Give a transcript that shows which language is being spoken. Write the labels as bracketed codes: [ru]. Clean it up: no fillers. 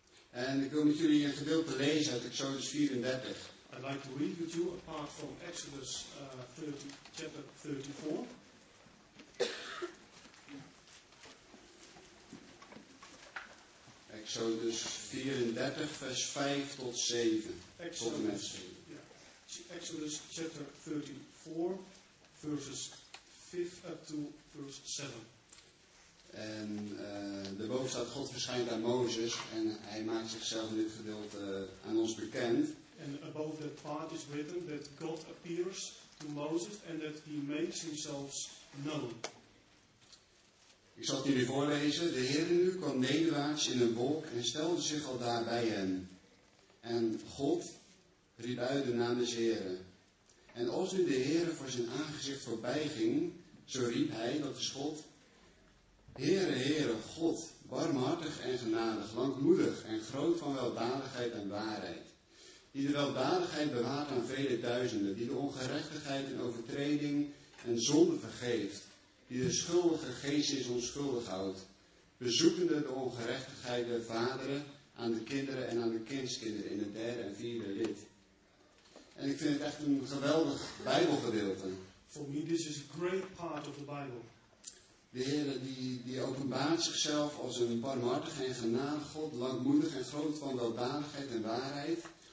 [nl] En ik wil met jullie een gedeelte lezen uit Exodus 34. [en] I'd like to read with you a part from Exodus 30, chapter 34. [nl] Exodus 34, vers 5 tot 7. Exodus, tot en met 7. [en] Yeah. Exodus chapter 34, verses 5 up to verse 7. [nl] En daarboven staat God verschijnt aan Mozes en hij maakt zichzelf in dit gedeelte aan ons bekend. [en] And above that part is written that God appears to Moses and that he makes himself known. [nl] Ik zal het jullie voorlezen. De Heer nu kwam nederwaarts in een wolk en stelde zich al daar bij hen. En God riep uit de naam des Heeren. En als nu de Heere voor zijn aangezicht voorbij ging, zo riep hij, dat is God. Heere, Heere, God, barmhartig en genadig, langmoedig en groot van weldadigheid en waarheid. Die de weldadigheid bewaart aan vele duizenden, die de ongerechtigheid en overtreding en zonde vergeeft. Die de schuldige geest in zijn onschuldig houdt, bezoekende de ongerechtigheid der vaderen aan de kinderen en aan de kindskinderen in het derde en vierde lid. En ik vind het echt een geweldig Bijbelgedeelte. [en] For me, this is a great part of the Bible. [nl] De Heer die openbaart zichzelf als een barmhartige en genadig God, langmoedig en groot van weldadigheid en waarheid.